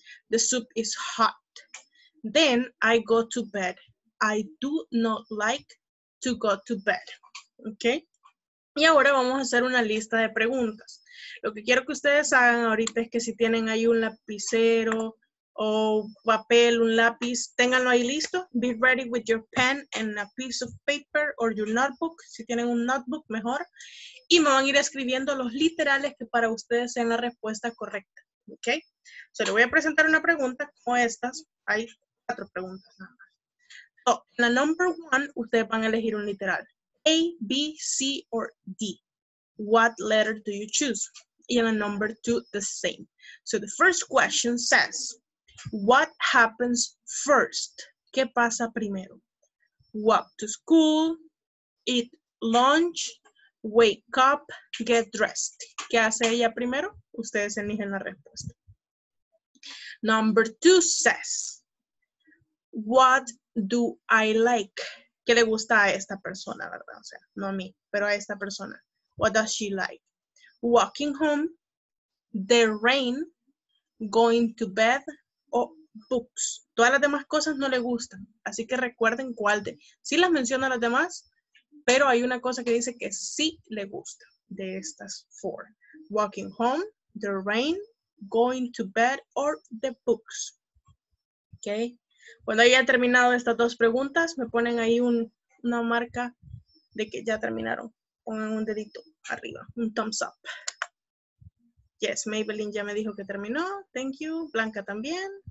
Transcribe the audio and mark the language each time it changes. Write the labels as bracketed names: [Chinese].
[English] The soup is hot. Then I go to bed. I do not like to go to bed. Okay? [Spanish] Y ahora vamos a hacer una lista de preguntas. Lo que quiero que ustedes hagan ahorita es que si tienen ahí un lapicero o papel, un lápiz, ténganlo ahí listo. [English] Be ready with your pen and a piece of paper or your notebook. [Spanish] Si tienen un notebook, mejor. Y me van a ir escribiendo los literales que para ustedes sean la respuesta correcta. ¿Ok? So, le voy a presentar una pregunta como estas. Hay cuatro preguntas. So, la number one, ustedes van a elegir un literal. [English] A, B, C or D. What letter do you choose? [Spanish] Y en la number two, [English] the same. So the first question says, what happens first? [Spanish] ¿Qué pasa primero? [English] Walk to school, eat lunch, wake up, get dressed. [Spanish] ¿Qué hace ella primero? Ustedes eligen la respuesta. [English] Number two says, what do I like? [Spanish] ¿Qué le gusta a esta persona, verdad? O sea, no a mí, pero a esta persona. [English] What does she like? Walking home, the rain, going to bed, o books. [Spanish] Todas las demás cosas no le gustan. Así que recuerden cuál de. Sí las menciona las demás, pero hay una cosa que dice que sí le gusta de estas four. [English] Walking home, the rain, going to bed, or the books. ¿Ok? [Spanish] Cuando haya terminado estas dos preguntas, me ponen ahí una marca de que ya terminaron. Pongan un dedito arriba, un thumbs up. Yes, Maybelline ya me dijo que terminó. [English] Thank you. [Spanish] Blanca también.